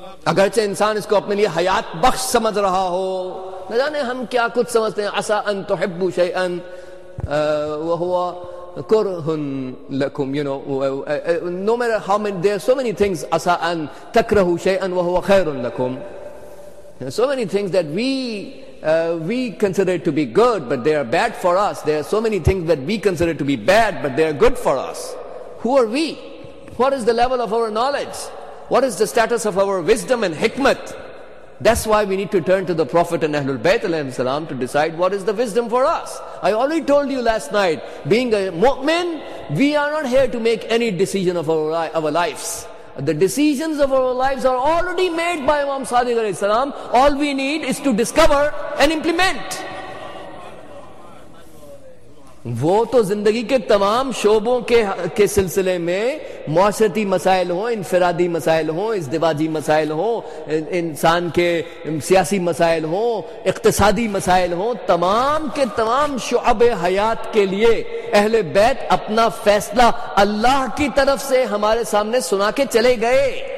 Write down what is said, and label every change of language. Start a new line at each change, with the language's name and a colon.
Urdu: اگرچہ انسان اس کو اپنے لیے حیات بخش سمجھ رہا ہو, نہ جانے ہم کیا کچھ سمجھتے ہیں.
Arabic: عسى ان تحبوا شيئا وهو كره لكم,
English: you know, no matter how many, there are so many things.
Arabic: عسى ان تكرهوا شيئا وهو خير لكم,
English: so many things that we consider to be good but they are bad for us. There are so many things that we consider to be bad but they are good for us. Who are we? What is the level of our knowledge? What is the status of our wisdom and hikmat? That's why we need to turn to the Prophet and Ahlul Bayt alayhi salam to decide what is the wisdom for us. I already told you last night, being a mu'min, we are not here to make any decision of our lives. The decisions of our lives are already made by Imam Sadiq alayhi salam. All we need is to discover and implement.
Urdu: وہ تو زندگی کے تمام شعبوں کے سلسلے میں معاشرتی مسائل ہوں، انفرادی مسائل ہوں، ازدواجی مسائل ہوں، انسان کے سیاسی مسائل ہوں، اقتصادی مسائل ہوں، تمام کے تمام شعب حیات کے لیے اہل بیت اپنا فیصلہ اللہ کی طرف سے ہمارے سامنے سنا کے چلے گئے۔